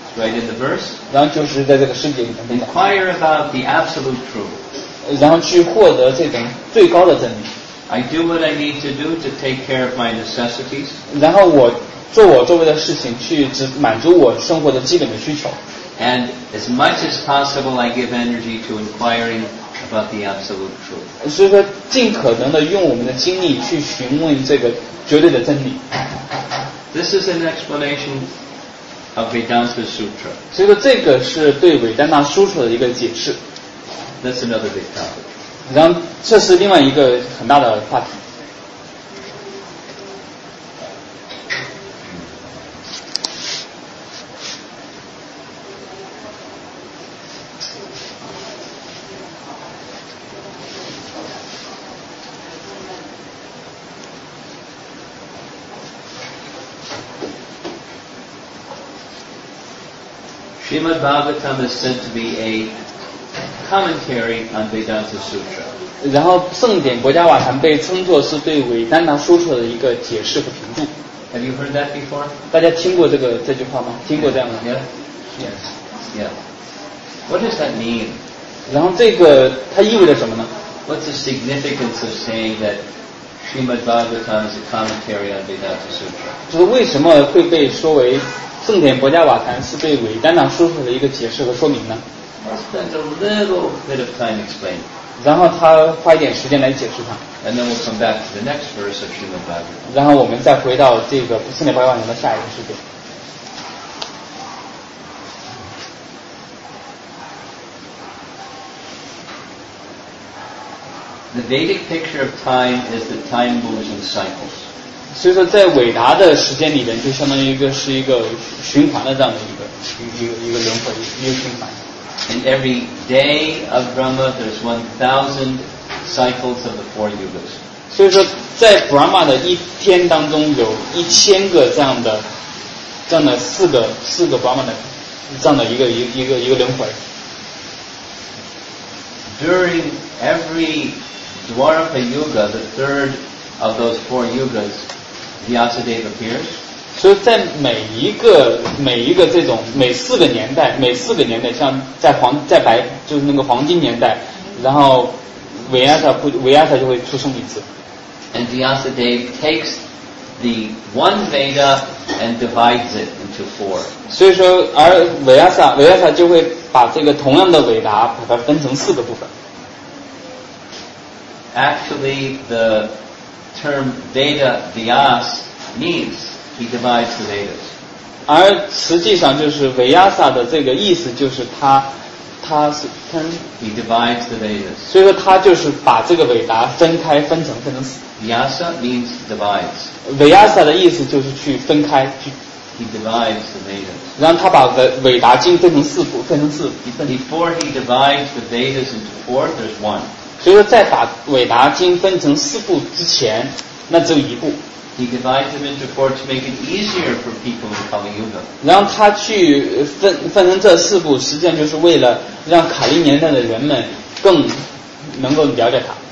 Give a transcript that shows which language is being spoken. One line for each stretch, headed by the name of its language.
English: Right in the verse.
Chinese: 然后就是在这个世界里面
English: Inquire about the absolute truth.
Chinese: 然后去获得这种最高的真理
English: I do what I need to do to take care of my necessities.
Chinese: 然后我做我周围的事情去只满足我生活的基本的需求
English: and as much as possible I give energy to inquiring about the absolute truth
Chinese: 所以说尽可能的用我们的精力去询问这个绝对的真理
English: this is an explanation of Vedanta Sutra
Chinese: 所以说这个是对维丹纳苏特的一个解释
English: that's another big topic
Chinese: 然后这是另外一个很大的话题
English: Srimad Bhagavatam is said to be a commentary on Vedanta Sutra.
Chinese: 然后圣典国家瓦坛被称作是对维丹达苏特的一个解释和评注。
English: Have you heard that before?
Chinese: 大家听过这句话吗？听过这样吗
English: Yes. What does that mean?
Chinese: 然后这个它意味着什么呢
English: What's the significance of saying that Srimad Bhagavatam is a commentary on Vedanta Sutra?
Chinese: 就是为什么会被说为圣典薄伽瓦坛是对维丹纳苏特的一个解释和说明呢
English: I'll spend a little bit of time explaining.
Chinese: 然后他花一点时间来解释它
English: And then we'll come back to the next verse of Srimad Bhagavatam.
Chinese: 然后我们再回到这个圣典薄伽瓦坛的下一个世界
English: The Vedic picture of time is that time moves in cycles.
Chinese: 所以说在伟达的时间里面就相当于一个是一个循环的这样的一个轮回一个循环
English: In every day of Brahma there's 1000 cycles of the four yugas
Chinese: 所以说在 Brahma 的一天当中有1000个这样的四个 Brahma 的这样的一个轮回
English: During every Dwarapa Yuga the third of those four yugas Vyasadeva appears.
Chinese: 所以在每一个这种每四个年代，像在白就是那个黄金年代，然后维亚萨就会出生一次。
English: And Vyasadeva takes the one Veda and divides it into four.
Chinese: 所以说，而维亚萨就会把这个同样的韦达把它分成四个部分。
English: actually the term Veda Vyas means. He divides the Vedas.
Chinese: 而实际上就是 Vyasa 的这个意思就是他是
English: turn, he divides the Vedas.
Chinese: 所以说他就是把这个伟达分开分成分成
English: Vyasa means divides.
Chinese: Vyasa 的意思就是去分开去
English: he divides the Vedas.
Chinese: 让他把伟达经分成四部分成四
English: before he divides the Vedas into four, there's one.
Chinese: 所以说在把伟达经分成四部之前那只有一部
English: He divides them into four to make it easier for people in Kali Yuga.
Chinese: 然后他去分成这四部，实际上就是为了让卡利年代的人们更能够了解他。